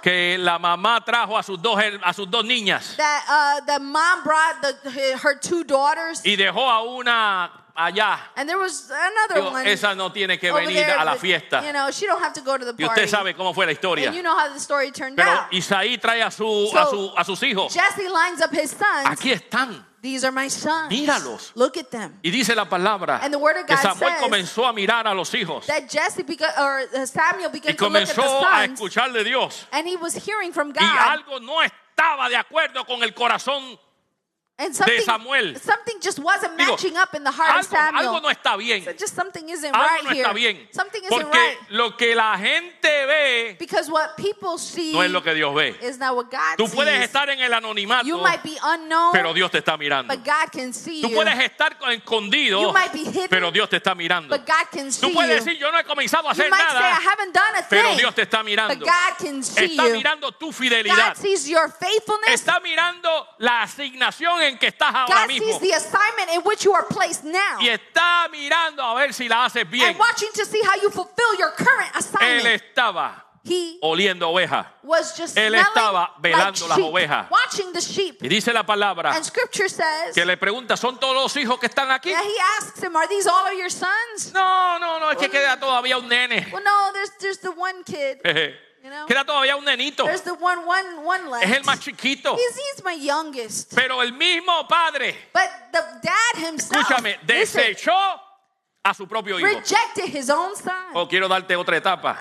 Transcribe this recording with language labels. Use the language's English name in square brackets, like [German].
[Spanish] Que la mamá trajo a sus dos niñas. [English] That the mom brought her two daughters. [Spanish] Y dejó a una allá. [English] And there was another [Spanish] Digo, [English] one. [Spanish] Esa no tiene que venir [English] there, [Spanish] a la fiesta. [English] You know, she don't have to go to the party. [Spanish] Y usted sabe cómo fue la historia. [English] And you know how the story turned [Spanish] Pero [English] out. [Spanish] Pero Isaí trae a sus hijos. [English] Jesse lines up his sons. [Spanish] Aquí están. [English] These are my sons. [Spanish] Míralos. [English] Look at them. [Spanish] Y dice la palabra. [English] And the word of God [Spanish] que Samuel [English] says [Spanish] comenzó a mirar a los hijos. [English] That Jesse began, or Samuel began [Spanish] y comenzó [English] to look at the sons, [Spanish] a escuchar de Dios. [English] And he was hearing from God. [Spanish] Y algo no estaba de acuerdo con el corazón [English] and something, [Spanish] de Samuel. [English] Something just wasn't matching [Spanish] Digo, [English] up in the heart [Spanish] algo, [English] of Samuel. [Spanish] Algo no está bien. [English] So just something isn't [Spanish] algo [English] right [Spanish] no está bien. [English] Here. Something isn't [Spanish] Porque [English] right. [Spanish] Porque lo que la gente ve [English] Because what people see [Spanish] no es lo que Dios ve. [English] Is not what God [Spanish] Tú [English] sees. [Spanish] Tú puedes estar en el anonimato. [English] You might be unknown. [Spanish] Pero Dios te está mirando. [English] But God can see you. [Spanish] Tú puedes estar escondido. [English] You might be hidden. [Spanish] Pero Dios te está mirando. [English] But God can see [Spanish] Tú puedes [English] you. [Spanish] Decir yo no he comenzado a hacer nada. [English] You might [Spanish] nada, [English] say I haven't done a thing. [Spanish] Pero Dios te está mirando. [English] But God can see [Spanish] está Está mirando tu fidelidad. [English] God sees your faithfulness. [Spanish] Está mirando la asignación en que estás ahora [English] God [Spanish] mismo. [English] God sees the assignment in which you are placed now. [Spanish] Y está mirando a ver si la haces bien. [English] And watching to see how you fulfill your current assignment. [Spanish] Él estaba oliendo ovejas. [English] Was just [Spanish] él estaba velando [English] like sheep, [Spanish] las ovejas. [English] Watching the sheep. [Spanish] Y dice la palabra. [English] And scripture says. [Spanish] Que le pregunta, ¿son todos los hijos que están aquí? [English] Yeah, he asks him, are these all of your sons? [Spanish] No, es que queda todavía un nene. [English] Well, no, there's the one kid. You know? [Spanish] Queda todavía un nenito. [English] There's the one left. [Spanish] Es el más chiquito. [English] He's my youngest. [Spanish] Pero el mismo padre. [English] But the dad himself. [Spanish] Escúchame, desechó a su propio hijo. [English] Rejected his own son. [Spanish] O quiero darte otra etapa.